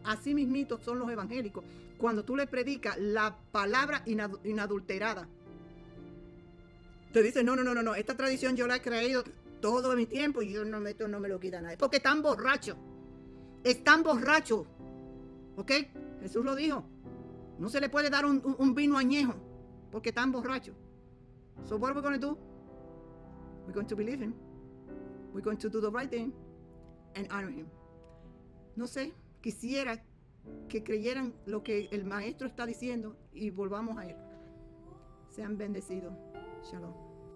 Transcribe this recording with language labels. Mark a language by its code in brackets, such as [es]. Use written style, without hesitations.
[es] Así mismito son los evangélicos. Cuando tú le predicas la palabra inadulterada, te dicen, no, esta tradición yo la he creído todo mi tiempo y yo no me, esto no me lo quita nadie, porque están borrachos, ok. Jesús lo dijo, no se le puede dar un vino añejo porque están borrachos. [en] So what are we going to do? We're going to believe him, we're going to do the right thing and honor him. [es] No sé, quisiera que creyeran lo que el maestro está diciendo y volvamos a él. Sean bendecidos. Shalom.